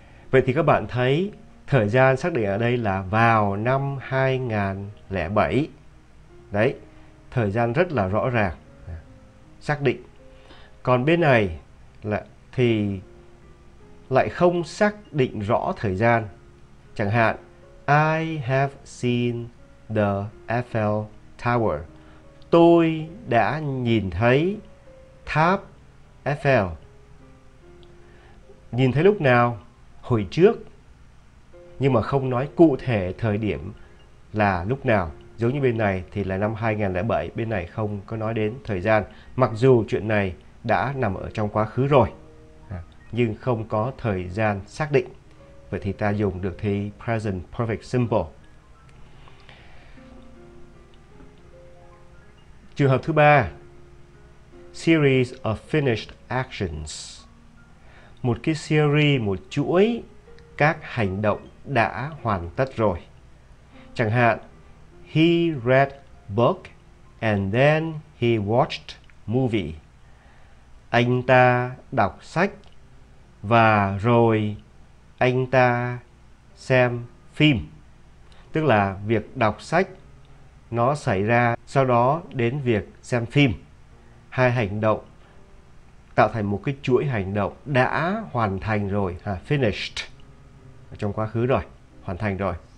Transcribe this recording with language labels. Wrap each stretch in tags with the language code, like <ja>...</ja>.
<vi>Vậy thì các bạn thấy thời gian xác định ở đây là vào năm 2007. Đấy, thời gian rất là rõ ràng, xác định. Còn bên này là thì lại không xác định rõ thời gian. Chẳng hạn,</vi> <en>I have seen the Eiffel Tower.</en> <vi>Tôi đã nhìn thấy tháp Eiffel. Nhìn thấy lúc nào? Hồi trước. Nhưng mà không nói cụ thể thời điểm là lúc nào, giống như bên này thì là năm 2007, bên này không có nói đến thời gian, mặc dù chuyện này đã nằm ở trong quá khứ rồi, nhưng không có thời gian xác định. Vậy thì ta dùng được thì present perfect simple. Trường hợp thứ ba,</vi> <en>series of finished actions,</en> <vi>một cái series, một chuỗi các hành động đã hoàn tất rồi. Chẳng hạn,</vi> <en>he read book and then he watched movie.</en> <vi>Anh ta đọc sách và rồi anh ta xem phim. Tức là việc đọc sách nó xảy ra sau đó đến việc xem phim. Hai hành động tạo thành một cái chuỗi hành động đã hoàn thành rồi, finished, trong quá khứ rồi, hoàn thành rồi.</vi>